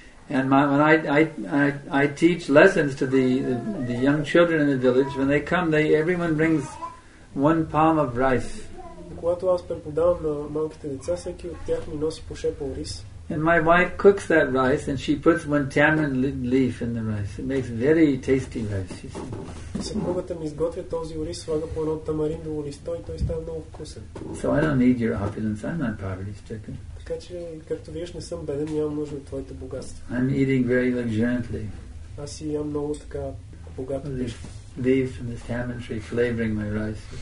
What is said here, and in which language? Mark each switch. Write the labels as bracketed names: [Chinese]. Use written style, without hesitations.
[English] And when I teach lessons to the young children in the village, when they come, everyone brings one palm of rice. [Bulgarian] Когато аз преподавам на малките деца, всеки от тях ми носи по шепа рис. [English] And my wife cooks that rice, and she puts one tamarind leaf in the rice. It makes very tasty rice, you see. [Bulgarian] Съпругата ми изготвя този рис, слага по едно тамариндово листо и той става много вкусен. [English] So I don't need your opulence. I'm not poverty stricken. [Bulgarian] Така че, както виждаш, не съм беден, нямам нужда от твоите богатства. [English] I'm eating very luxuriantly. [Bulgarian] Аз си ям много така богато. [English] leaves from this tamarind tree flavoring my rice.